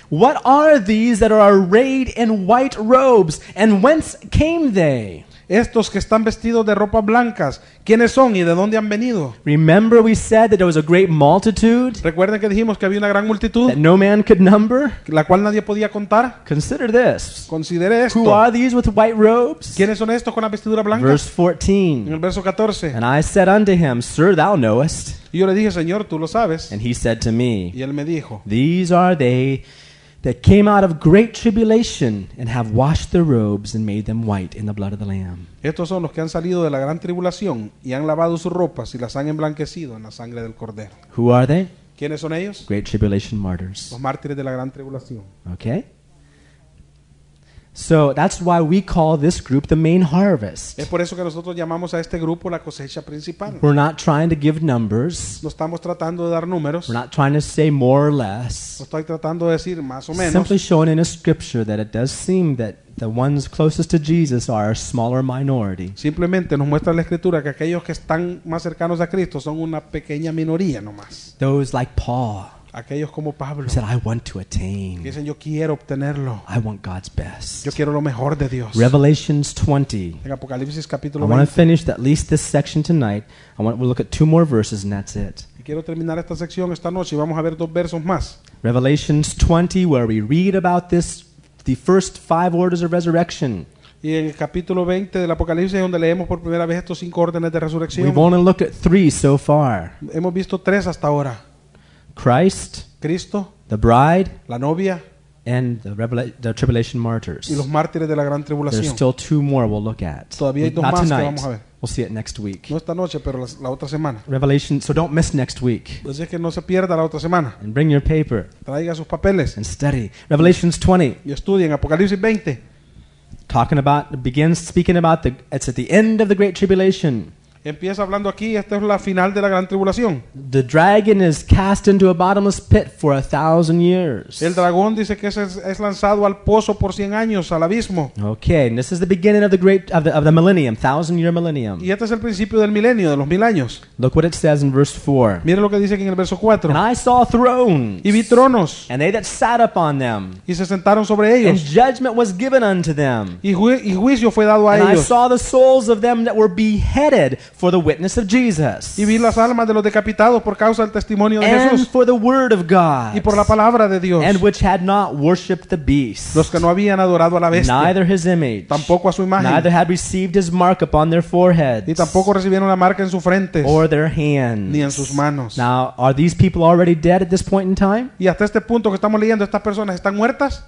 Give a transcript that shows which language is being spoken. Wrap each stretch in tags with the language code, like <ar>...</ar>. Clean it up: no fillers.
<en>what are these that are arrayed in white robes, and whence came they?</en> <es>Estos que están vestidos de ropas blancas, ¿quiénes son y de dónde han venido?</es> <en>Remember we said that there was a great multitude.</en> <es>¿Recuerdan que dijimos que había una gran multitud?</es> <en>That no man could number.</en> <es>La cual nadie podía contar.</es> <en>Consider this.</en> <es>Considere esto.</es> <en>Who are these with white robes?</en> <es>¿Quiénes son estos con la vestidura blanca?</es> <en>Verse 14.</en> <es>En el verso 14.</es> <en>And I said unto him, sir, thou knowest.</en> <es>Y yo le dije, señor, tú lo sabes.</es> <en>And he said to me.</en> <es>Y él me dijo.</es> <en>These are they that came out of great tribulation and have washed their robes and made them white in the blood of the Lamb.</en> <es>Estos son los que han salido de la gran tribulación y han lavado sus ropas y las han emblanquecido en la sangre del Cordero.</es> <en>Who are they?</en> <es>¿Quiénes son ellos?</es> <en>Great tribulation martyrs.</en> <es>Los mártires de la gran tribulación.</es> <en>Okay. So that's why we call this group the main harvest.</en> <es>Es por eso que nosotros llamamos a este grupo la cosecha principal.</es> <en>We're not trying to give numbers.</en> <es>No estamos tratando de dar números.</es> <en>We're not trying to say more or less.</en> <es>No estoy tratando de decir más o menos.</es> <en>Simply showing in a scripture that it does seem that the ones closest to Jesus are a smaller minority.</en> <es>Simplemente nos muestra la escritura que aquellos que están más cercanos a Cristo son una pequeña minoría nomás.</es> <en>Those like Paul.</en> <es>Aquellos como Pablo.</es> <en>He said, I want to attain.</en> <es>Dicen, yo quiero obtenerlo.</es> <en>I want God's best.</en> <es>Yo quiero lo mejor de Dios.</es> <en>Revelations 20.</en> <es>En Apocalipsis capítulo</es> <en>20. I want to finish at least this section tonight. We'll look at two more verses and that's it.</en> <es>Y quiero terminar esta sección esta noche y vamos a ver dos versos más.</es> <en>Revelations 20, where we read about this, the first five orders of resurrection.</en> <es>Y en el capítulo 20 del Apocalipsis es donde leemos por primera vez estos cinco órdenes de resurrección.</es> <en>We've only looked at three so far.</en> <es>Hemos visto tres hasta ahora.</es> <en>Christ,</en> <es>Cristo,</es> <en>the bride,</en> <es>la novia,</es> <en>and the tribulation martyrs.</en> <es>Y los mártires de la gran tribulación.</es> <en>There's still two more we'll look at.</en> <es>Todavía hay dos</es> <en>not</en> <es>más</es> <en>tonight.</en> <es>Que vamos a ver.</es> <en>We'll see it next week.</en> <es>No esta noche, pero la otra semana.</es> <en>Revelation, so don't miss next week.</en> <es>Así que no se pierda la otra semana.</es> <en>And bring your paper.</en> <es>Traiga sus papeles.</es> <en>And study. Revelations 20.</en> <es>Y estudien Apocalipsis 20.</es> <en>Talking about, begins speaking about, it's at the end of the great tribulation.</en> <es>Empieza hablando aquí, esta es la final de la gran tribulación.</es> <en>The dragon is cast into a bottomless pit for 1,000 years.</en> <es>El dragón dice que es lanzado al pozo por 100 años, al abismo.</es> <en>Okay, and this is the beginning of the great of the millennium, 1,000-year millennium.</en> <es>Y este es el principio del milenio, de los mil años.</es> <en>Look what it says in verse 4.</en> <es>Mira lo que dice aquí en el verso 4.</es> <en>And I saw thrones.</en> <es>Y vi tronos.</es> <en>And they that sat upon them.</en> <es>Y se sentaron sobre ellos.</es> <en>And judgment was given unto them.</en> <es>Y juicio fue dado a</es> <en>and</en> <es>ellos.</es> <en>And I saw the souls of them that were beheaded for the witness of Jesus.</en> <es>Y vi las almas de los decapitados por causa del testimonio de Jesús.</es> <en>And for the word of God.</en> <es>Y por la palabra de Dios.</es> <en>And which had not worshipped the beast.</en> <es>Los que no habían adorado a la bestia.</es> <en>Neither his image.</en> <es>Tampoco a su imagen.</es> <en>Neither had received his mark upon their foreheads.</en> <es>Y tampoco recibieron la marca en sus frentes.</es> <en>Or their hands.</en> <es>Ni en sus manos.</es> <en>Now, are these people already dead at this point in time?</en> <es>Y hasta este punto que estamos leyendo, estas personas están muertas?</es>